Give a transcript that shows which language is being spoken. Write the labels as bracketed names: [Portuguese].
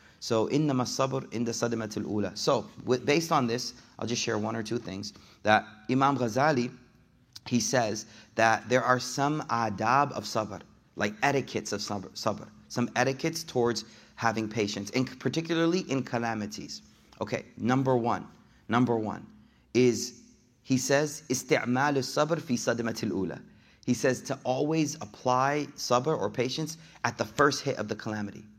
[Arabic] So, إنما الصبر عند صدمة الأولى. [English] So, based on this, I'll just share one or two things. That Imam Ghazali, he says that there are some adab of sabr, like etiquettes of sabr, some etiquettes towards having patience, and particularly in calamities. Okay, number one is, he says, [Arabic] استعمال الصبر في صدمة الأولى. [English] He says to always apply sabr or patience at the first hit of the calamity.